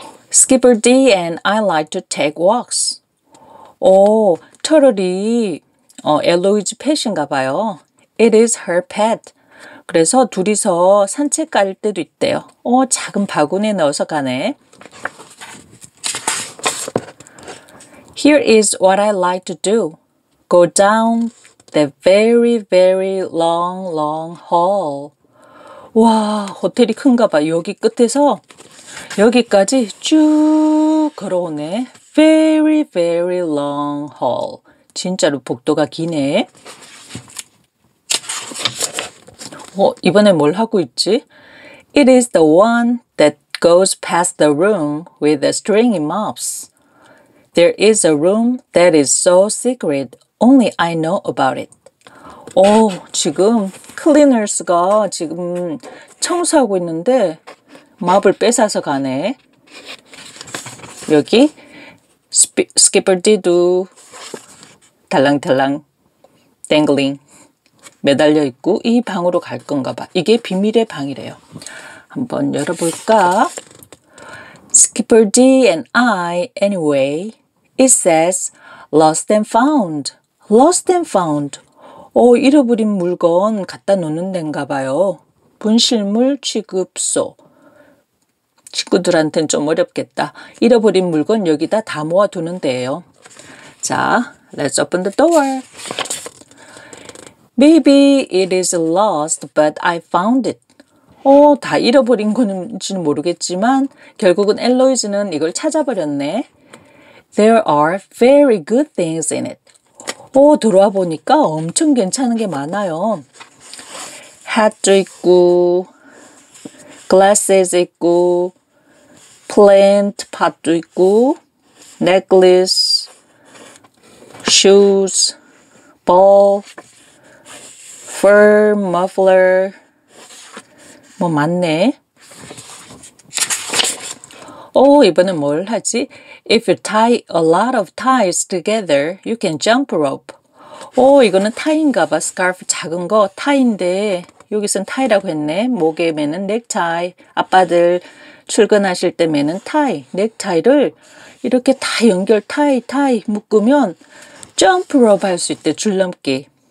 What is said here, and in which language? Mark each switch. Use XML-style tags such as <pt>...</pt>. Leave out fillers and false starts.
<en>Skipper D and I like to take walks.</en> <ko>터널이 엘로이즈 펫인가 봐요.</ko> <en>It is her pet.</en> <ko>그래서 둘이서 산책 갈 때도 있대요. 작은 바구니에 넣어서 가네.</ko> <en>Here is what I like to do. Go down the very, very long, long hall.</en> <ko>와, 호텔이 큰가 봐. 여기 끝에서 여기까지 쭉 걸어오네.</ko> <en>Very, very long hall.</en> <ko>진짜로 복도가 기네. 이번에 뭘 하고 있지?</ko> <en>It is the one that goes past the room with the stringy mops. There is a room that is so secret only I know about it.</en> <ko>지금 클리너스가 지금 청소하고 있는데 맙을 뺏어서 가네. 여기 스키퍼디도 달랑달랑 댕글링 매달려 있고 이 방으로 갈 건가 봐. 이게 비밀의 방이래요. 한번 열어볼까?</ko> <en>Skipper D and I anyway. It says lost and found. Lost and found.</en> <ko>잃어버린 물건 갖다 놓는 데인가 봐요. 분실물 취급소. 친구들한테는 좀 어렵겠다. 잃어버린 물건 여기다 다 모아두는 데예요.</ko> <en>자, let's open the door. Maybe it is lost, but I found it.</en> <ko>다 잃어버린 건지는 모르겠지만 결국은 엘로이즈는 이걸 찾아버렸네.</ko> <en>There are very good things in it.</en> <ko>들어와 보니까 엄청 괜찮은 게 많아요. Hat도 있고, glasses 있고, plant pot도 있고, necklace, shoes, ball, fur muffler. 뭐 많네. 이번엔 뭘 하지?</ko> <en>If you tie a lot of ties together, you can jump rope.</en> <ko>이거는 타이인가 봐. 스카프 작은 거 타이인데 여기선 타이라고 했네. 목에 매는 넥타이. 아빠들 출근하실 때 매는 타이. 넥타이를 이렇게 다 연결 타이 타이 묶으면 점프 로브 할 수 있대. 줄넘기.</ko>